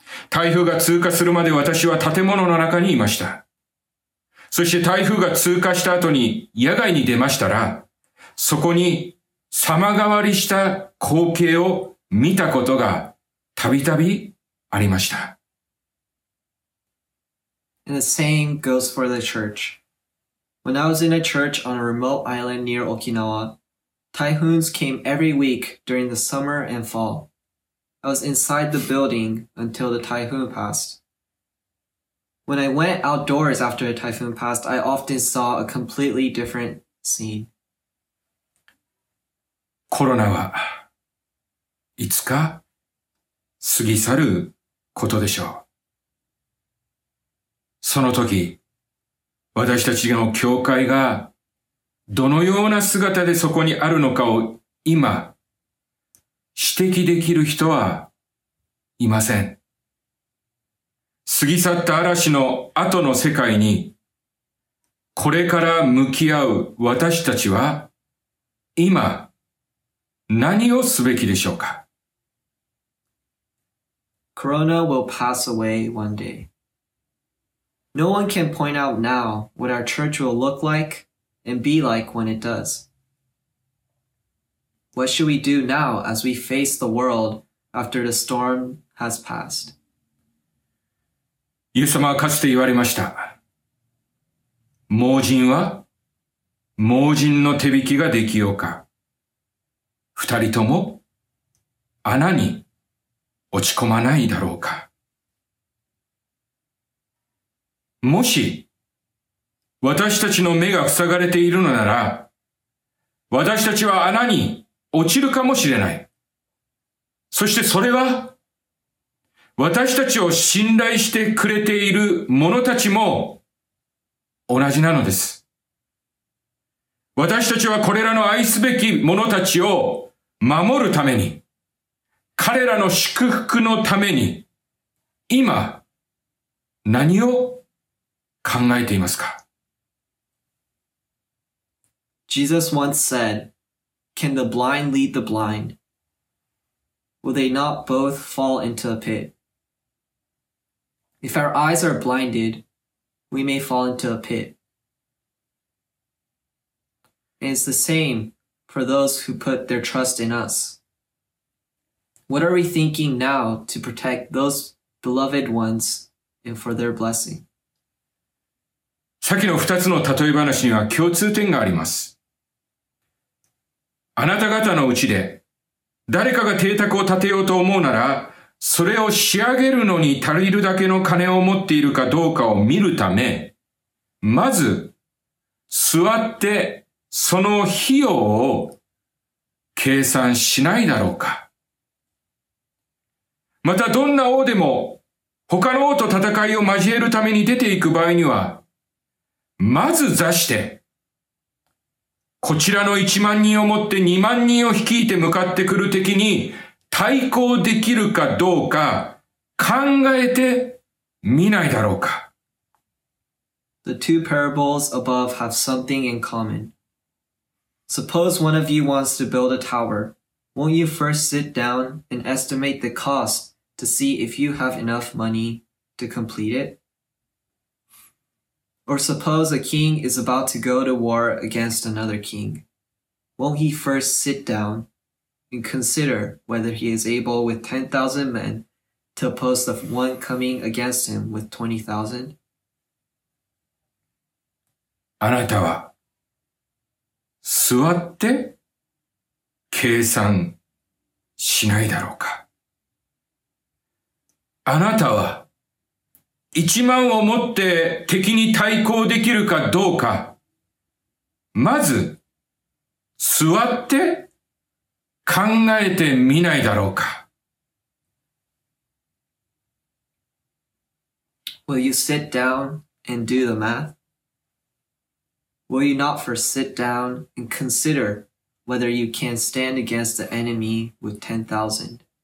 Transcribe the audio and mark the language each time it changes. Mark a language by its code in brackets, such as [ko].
[ja] 台風が通過するまで私は建物の中にいました。そして台風が通過した後に野外に出ましたら、そこに様変わりした光景を見たことがたびたびありました。 [en] And the same goes for the church. When I was in a church on a remote island near Okinawa, typhoons came every week during the summer and fall. I was inside the building until the typhoon passed. When I went outdoors after the typhoon passed, I often saw a completely different scene. [ja] コロナはいつか過ぎ去ることでしょう。その時、私たちの教会がどのような姿でそこにあるのかを今、指摘できる人はいません。過ぎ去った嵐の後の世界に、これから向き合う私たちは、今、何をすべきでしょうか。 [en] Corona will pass away one day. No one can point out now what our church will look like and be like when it does. What should we do now as we face the world after the storm has passed? [ja] イエス様はかつて言われました。盲人は盲人の手引きができようか。二人とも穴に落ち込まないだろうか。もし私たちの目が塞がれているのなら、私たちは穴に落ちるかもしれない。そしてそれは、私たちを信頼してくれている者たちも同じなのです。私たちはこれらの愛すべき者たちを守るために、彼らの祝福のために、今、何を考えていますか？ [en] Jesus once said, Can the blind lead the blind? Will they not both fall into a pit? If our eyes are blinded, we may fall into a pit. And it's the same for those who put their trust in us. What are we thinking now to protect those beloved ones and for their blessing? [ja] さっきの二つの例え話には共通点があります。あなた方のうちで誰かが邸宅を建てようと思うなら、それを仕上げるのに足りるだけの金を持っているかどうかを見るため、まず座ってその費用を計算しないだろうか。またどんな王でも他の王と戦いを交えるために出ていく場合には、まず座して、こちらの1万人をもって2万人を率いて向かってくる敵に対抗できるかどうか考えてみないだろうか。 [en] The two parables above have something in common. Suppose one of you wants to build a tower. Won't you first sit down and estimate the cost to see if you have enough money to complete it? Or suppose a king is about to go to war against another king. Won't he first sit down and consider whether he is able with 10,000 men to oppose the one coming against him with 20,000? [ja] あなたは座って計算しないだろうか。あなたは一万をもって敵に対抗できるかどうか、まず座って考えてみないだろうか。 [en] Will you sit down and do the math? Will you not first sit down and consider whether you can stand against the enemy with 10,000?